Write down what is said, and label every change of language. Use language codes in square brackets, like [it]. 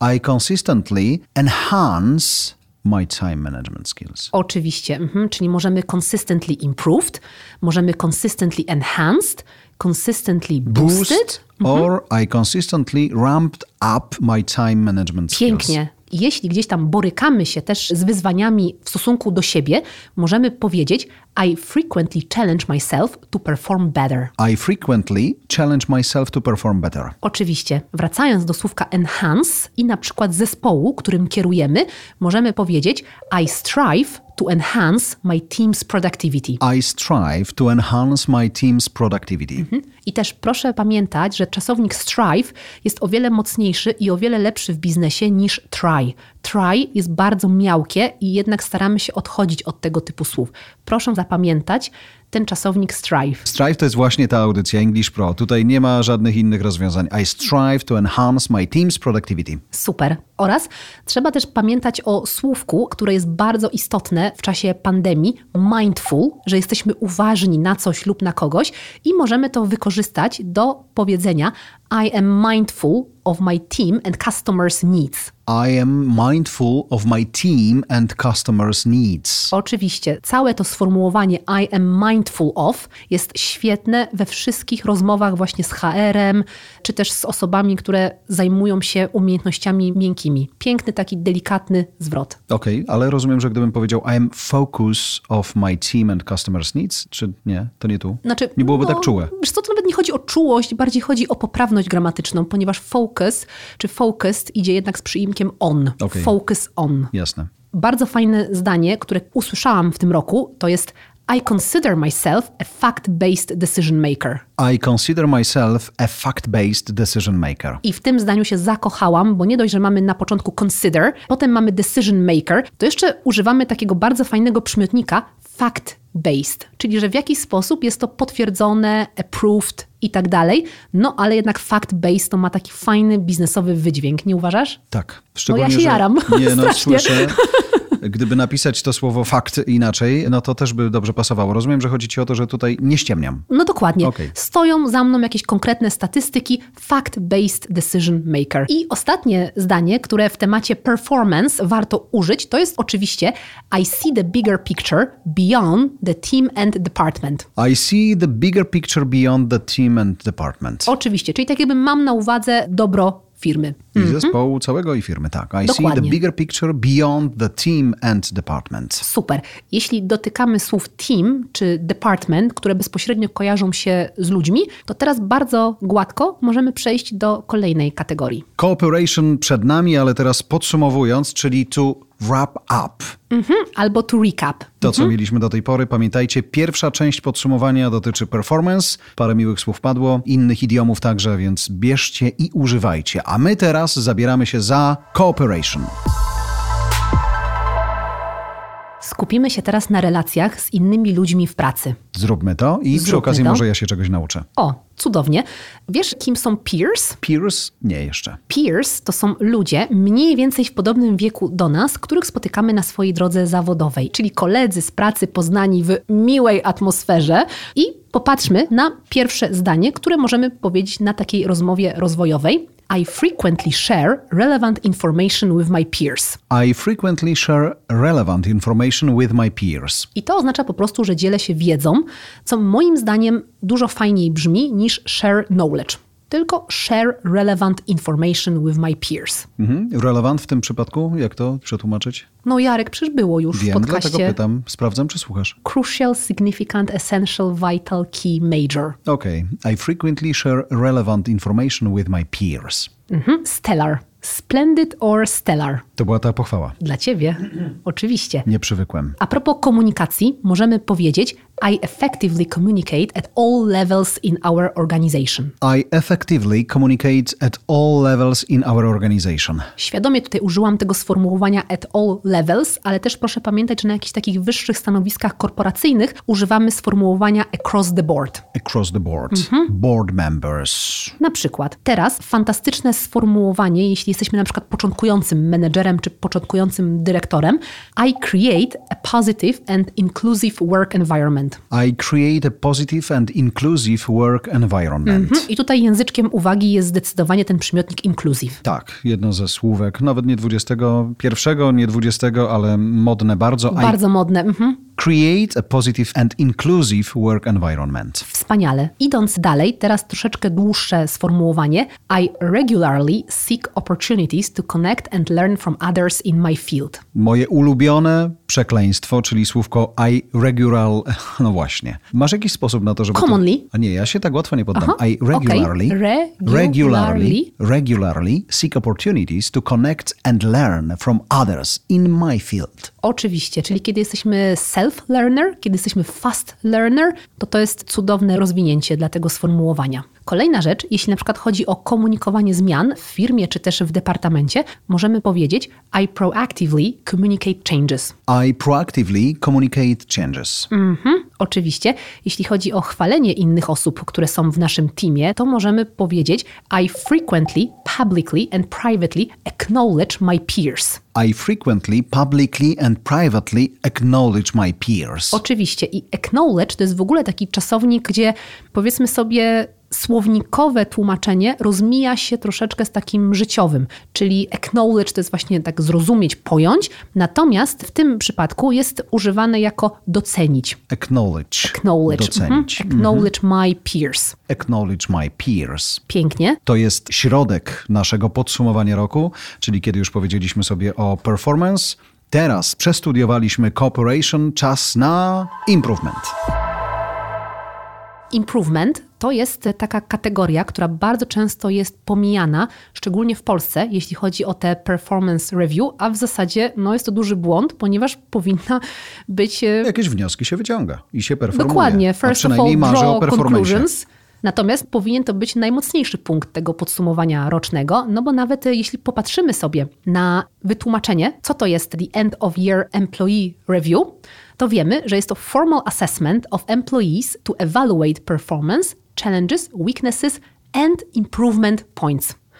[en] I consistently enhance my time management skills. [pl] Oczywiście. Mhm. Czyli możemy [en] consistently improved, [pl] możemy [en] consistently enhanced, consistently boosted. Mhm. Or I consistently ramped up my time management skills. [pl] Pięknie. Jeśli gdzieś tam borykamy się też z wyzwaniami w stosunku do siebie, możemy powiedzieć [en] I frequently challenge myself to perform better. I frequently challenge myself to perform better. [pl] Oczywiście. Wracając do słówka enhance i na przykład zespołu, którym kierujemy, możemy powiedzieć [en] I strive to enhance my team's productivity. I strive to enhance my team's productivity. Mhm. [pl] I też proszę pamiętać, że czasownik strive jest o wiele mocniejszy i o wiele lepszy w biznesie niż try. Try jest bardzo miałkie i jednak staramy się odchodzić od tego typu słów. Proszę zapamiętać ten czasownik strive. Strive to jest właśnie ta audycja English Pro. Tutaj nie ma żadnych innych rozwiązań. [en] I strive to enhance my team's productivity. [pl] Super. Oraz trzeba też pamiętać o słówku, które jest bardzo istotne w czasie pandemii, mindful, że jesteśmy uważni na coś lub na kogoś i możemy to wykorzystać do powiedzenia [en] I am mindful of my team and customers' needs. I am mindful of my team and customers' needs. [pl] Oczywiście, całe to sformułowanie [en] I am mindful of [pl] jest świetne we wszystkich rozmowach właśnie z HR-em, czy też z osobami, które zajmują się umiejętnościami miękkimi. Piękny, taki delikatny zwrot. Okej, okay, ale rozumiem, że gdybym powiedział [en] I am focus of my team and customers' needs, [pl] czy nie, to nie tu. Znaczy, nie byłoby tak czułe. Wiesz co, to nawet nie chodzi o czułość, bardziej chodzi o poprawność gramatyczną, ponieważ focus czy focused idzie jednak z przyimkiem on. [en] Okay. Focus on. [pl] Jasne. Bardzo fajne zdanie, które usłyszałam w tym roku, to jest [en] I consider myself a fact-based decision maker. I consider myself a fact-based decision maker. [pl] I w tym zdaniu się zakochałam, bo nie dość, że mamy na początku consider, potem mamy decision maker, to jeszcze używamy takiego bardzo fajnego przymiotnika fact-based, czyli że w jakiś sposób jest to potwierdzone, approved i tak dalej, no ale jednak fact-based to ma taki fajny biznesowy wydźwięk, nie uważasz? Tak. Szczególnie, no ja się jaram. Nie, no słyszę. Gdyby napisać to słowo fakt inaczej, no to też by dobrze pasowało. Rozumiem, że chodzi ci o to, że tutaj nie ściemniam. No dokładnie. [en] Okay. [pl] Stoją za mną jakieś konkretne statystyki, fact-based decision maker. I ostatnie zdanie, które w temacie performance warto użyć, to jest oczywiście [en] I see the bigger picture beyond the team and department. I see the bigger picture beyond the team and department. [pl] Oczywiście, czyli tak jakby mam na uwadze dobro firmy. I zespołu całego i firmy, tak. Dokładnie. [en] See the bigger picture beyond the team and department. [pl] Super. Jeśli dotykamy słów team czy department, które bezpośrednio kojarzą się z ludźmi, to teraz bardzo gładko możemy przejść do kolejnej kategorii. Cooperation przed nami, ale teraz podsumowując, czyli [en] to wrap up. [pl] Mm-hmm. Albo [en] to recap. [pl] To, co mieliśmy do tej pory, pamiętajcie, pierwsza część podsumowania dotyczy performance. Parę miłych słów padło, innych idiomów także, więc bierzcie i używajcie. A my teraz zabieramy się za cooperation. Skupimy się teraz na relacjach z innymi ludźmi w pracy. Zróbmy to i przy okazji może ja się czegoś nauczę. O, cudownie. Wiesz, kim są peers? Peers? Nie jeszcze. Peers to są ludzie mniej więcej w podobnym wieku do nas, których spotykamy na swojej drodze zawodowej, czyli koledzy z pracy poznani w miłej atmosferze. I popatrzmy na pierwsze zdanie, które możemy powiedzieć na takiej rozmowie rozwojowej. [en] I frequently share relevant information with my peers. I frequently share relevant information with my peers. [pl] I to oznacza po prostu, że dzielę się wiedzą, co moim zdaniem dużo fajniej brzmi niż [en] share knowledge. [pl] tylko [en] share relevant information with my peers. Mhm. [pl] Relevant w tym przypadku? Jak to przetłumaczyć? No Jarek, przecież było już wiem, w podcaście. Wiem, dlatego pytam. Sprawdzam, czy słuchasz. [en] Crucial, significant, essential, vital, key, major. [pl] Okej. [en] Okay. I frequently share relevant information with my peers. Mhm. Stellar. Splendid or stellar. [pl] To była ta pochwała. Dla ciebie. Oczywiście. Nie przywykłem. A propos komunikacji, możemy powiedzieć [en] I effectively communicate at all levels in our organization. I effectively communicate at all levels in our organization. [pl] Świadomie tutaj użyłam tego sformułowania [en] at all levels, [pl] ale też proszę pamiętać, że na jakichś takich wyższych stanowiskach korporacyjnych używamy sformułowania [en] across the board. Across the board. Mhm. Board members. [pl] Na przykład. Teraz fantastyczne sformułowanie, jeśli jesteśmy na przykład początkującym menedżerem czy początkującym dyrektorem. [en] I create a positive and inclusive work environment. I create a positive and inclusive work environment. Mm-hmm. [pl] I tutaj języczkiem uwagi jest zdecydowanie ten przymiotnik inclusive. Tak, jedno ze słówek, nawet nie 21, nie 20, ale modne bardzo. Bardzo modne. Mm-hmm. [en] Create a positive and inclusive work environment. [pl] Wspaniale. Idąc dalej, teraz troszeczkę dłuższe sformułowanie. [en] I regularly seek opportunities to connect and learn from others in my field. [pl] Moje ulubione przekleństwo, czyli słówko [en] I regularly. [pl] No właśnie. Masz jakiś sposób na to, żeby... [en] Commonly. [pl] To... A nie, ja się tak łatwo nie poddam. [en] Aha, I regularly, okay. regularly seek opportunities to connect and learn from others in my field. [pl] Oczywiście, czyli kiedy jesteśmy self-learner, kiedy jesteśmy fast learner, to jest cudowne rozwinięcie dla tego sformułowania. Kolejna rzecz, jeśli na przykład chodzi o komunikowanie zmian w firmie czy też w departamencie, możemy powiedzieć [en] I proactively communicate changes. I proactively communicate changes. [pl] Mhm, oczywiście. Jeśli chodzi o chwalenie innych osób, które są w naszym teamie, to możemy powiedzieć [en] I frequently, publicly and privately acknowledge my peers. I frequently, publicly and privately acknowledge my peers. [pl] Oczywiście. I acknowledge to jest w ogóle taki czasownik, gdzie powiedzmy sobie... słownikowe tłumaczenie rozmija się troszeczkę z takim życiowym, czyli acknowledge to jest właśnie tak zrozumieć, pojąć, natomiast w tym przypadku jest używane jako docenić. [en] Acknowledge. Acknowledge. [pl] Docenić. [en] Mhm. Acknowledge mhm. my peers. Acknowledge my peers. [pl] Pięknie. To jest środek naszego podsumowania roku, czyli kiedy już powiedzieliśmy sobie o performance, teraz przestudiowaliśmy cooperation, czas na improvement. Improvement to jest taka kategoria, która bardzo często jest pomijana, szczególnie w Polsce, jeśli chodzi o te performance review, a w zasadzie no, jest to duży błąd, ponieważ powinna być... Jakieś wnioski się wyciąga i się performuje. Dokładnie. [en] First of all, draw conclusions. [pl] Natomiast powinien to być najmocniejszy punkt tego podsumowania rocznego, no bo nawet jeśli popatrzymy sobie na wytłumaczenie, co to jest [en] the end of year employee review, [pl] to wiemy, że jest to [en] formal assessment of employees to evaluate performance, challenges, weaknesses and improvement points.